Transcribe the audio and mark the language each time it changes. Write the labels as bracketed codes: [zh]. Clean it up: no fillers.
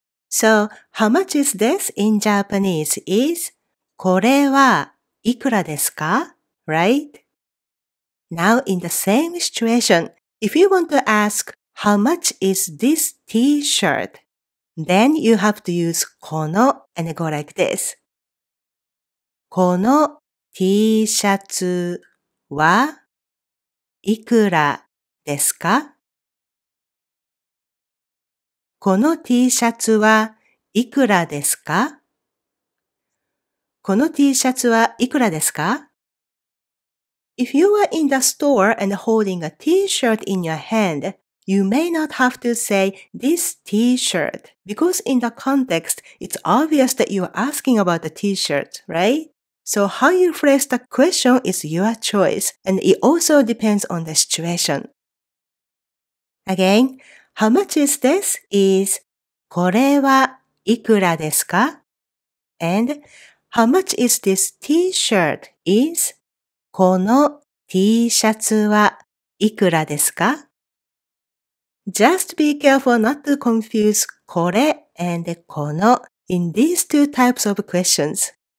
[en] So, how much is this in Japanese is [ja] これはいくらですか? [en] Right? Now, in the same situation, if you want to ask how much is this t-shirt, then you have to use この and go like this. [ja] この T シャツはいくらですか? この T シャツはいくらですか? この T シャツはいくらですか? [en] If you are in the store and holding a T-shirt in your hand, you may not have to say this T-shirt because in the context, it's obvious that you are asking about the T-shirt, right? So how you phrase the question is your choice and it also depends on the situation. Again,How much is this? [ja] Is これはいくらですか? [en] And how much is this t-shirt? [ja] Is この T シャツはいくらですか? [en] Just be careful not to confuse これ and この in these two types of questions.